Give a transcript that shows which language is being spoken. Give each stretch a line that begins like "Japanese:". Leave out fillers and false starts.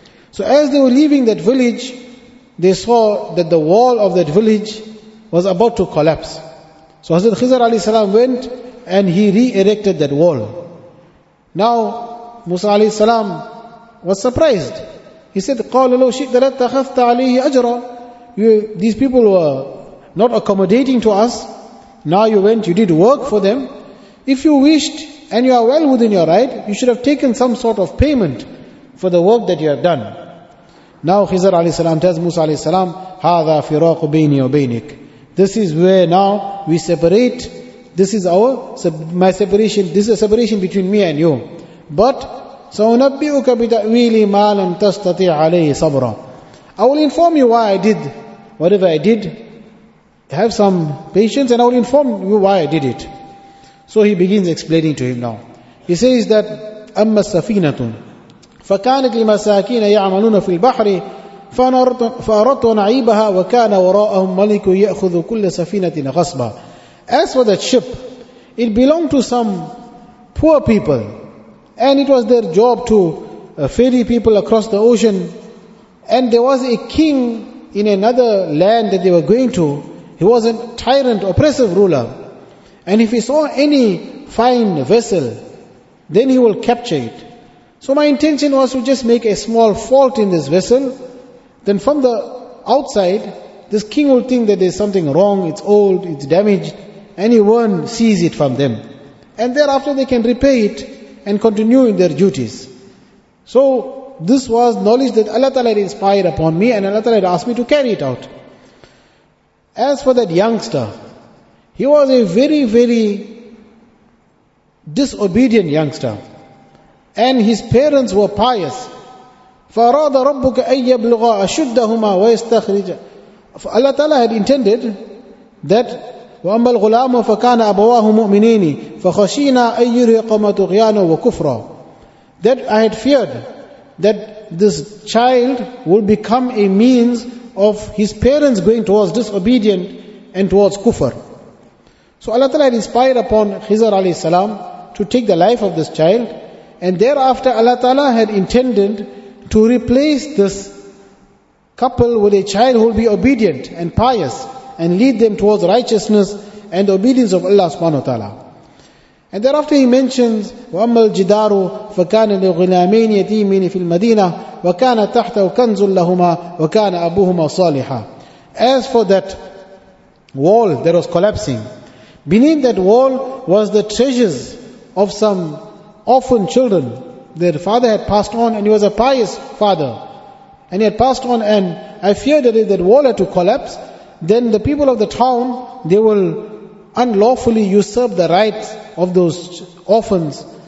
English: So as they were leaving that village, they saw that the wall of that village was about to collapse. So Hazrat Khizr alayhi salam went and he re-erected that wall. Now Musa alayhi salam was surprised. He said,
Arabic: قَالَ لَوْ شِئْتَ لَتَّخَذْتَ عَلَيْهِ أَجْرًا.
English: These people were not accommodating to us. Now you went, you did work for them. If you wished, and you are well within your right, you should have taken some sort of payment for the work that you have done. Now Khizr alayhi salam tells Musa alayhi salam,
Arabic: هَذَا فِرَاقُ بَيْنِي وَبَيْنِكُ.
English: This is where now we separate. This is our my separation. This is a separation between me and you. But
Arabic: سَأُنَبِّئُكَ بِتَأْوِيلِ مَا لَمْ تَسْتَطِعْ عَلَيْهِ صَبْرًا.
English: I will inform you why I did whatever I did. Have some patience, and I will inform you why I did it. So he begins explaining to him now. He says that
Arabic: أَمَّا السَّفِينَةُ فَكَانَتْ لِمَسَاكِينَ يَعْمَلُونَ فِي الْبَحْرِ فَأَرَدْتُ نَعِيبَهَا وَكَانَ وَرَاءَهُمْ مَلِكٌ يَأْخُذُ كُلَّ سَفِينَةٍ غَصْبًا.
English: As for that ship, it belonged to some poor people, and it was their job to ferry people across the ocean. And there was a king in another land that they were going to. He was a tyrant, oppressive ruler. And if he saw any fine vessel, then he will capture it. So my intention was to just make a small fault in this vessel. Then from the outside, this king will think that there's something wrong, it's old, it's damaged, and he won't seize it from them. And thereafter they can repay it and continue in their duties. So this was knowledge that Allah Ta'ala had inspired upon me, and Allah Ta'ala had asked me to carry it out. As for that youngster, he was a very, very disobedient youngster. And his parents were pious.
Arabic: فَرَادَ رَبُّكَ أَن يَبْلُغَ أَشُدَّهُمَا وَيَسْتَخْرِجَ.
English: Allah Ta'ala had intended that
Arabic: وَأَمَّا الْغُلَامُ فَكَانَ أَبَوَاهُ مُؤْمِنِينِ فَخَشِينَا أَن يُرْهِقَهُمَا طُغْيَانًا وَكُفْرًا.
English: That I had feared that this child will become a means of his parents going towards disobedient and towards kufr. So Allah Ta'ala had inspired upon Khizr alayhi salam to take the life of this child, and thereafter Allah Ta'ala had intended to replace this couple with a child who will be obedient and pious and lead them towards righteousness and obedience of Allah subhanahu wa ta'ala. And thereafter he mentions,
Arabic: وَأَمَّا الْجِدَارُ فَكَانَ لِغُلَامَيْنِ يَتِيمَيْنِ فِي الْمَدِينَةِ وَكَانَ تَحْتَهُ كَنْزٌ لَهُمَا وَكَانَ أَبُوهُمَا صَالِحًا.
English: As for that wall that was collapsing, beneath that wall was the treasures of some orphan children. Their father had passed on, and he was a pious father. And he had passed on, and I feared that if that wall had to collapse, then the people of the town, they will unlawfully usurp the rights of those orphans.